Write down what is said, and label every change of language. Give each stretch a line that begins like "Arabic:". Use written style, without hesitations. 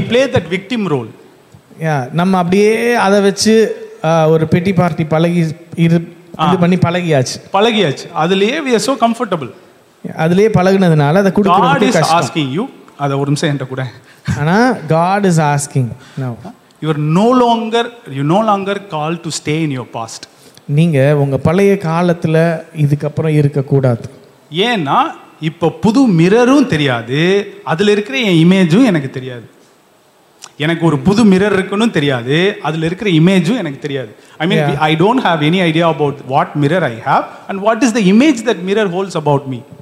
English: We play that victim role.
Tamil: நம்ம அப்படியே அதை வச்சு ஒரு பெட்டி பார்ட்டி பழகி இது பண்ணி பழகியாச்சு, பழகியாச்சு, அதுலயே
English: we are so comfortable,
Tamil: அதுலயே பழகுனதுனால அத குடுக்குறது கஷ்டம்.
English: God is asking you,
Tamil: அத ஒரு நிமிஷம் என்கிட்ட கூட.
English: ஆனா God is asking now, you no longer called to stay in your past.
Tamil: நீங்க உங்க பழைய காலத்துல இதுக்கு அப்புறம் இருக்க கூடாது. ஏன்னா இப்ப புது மிரரும் தெரியாது, அதுல இருக்கிற என் இமேஜும் எனக்கு தெரியாது. எனக்கு ஒரு புது மிரர் இருக்குன்னு தெரியாது, அதில் இருக்கிற இமேஜும் எனக்கு தெரியாது.
English: I mean I don't have any idea about what mirror I have and what is the image that mirror holds about me.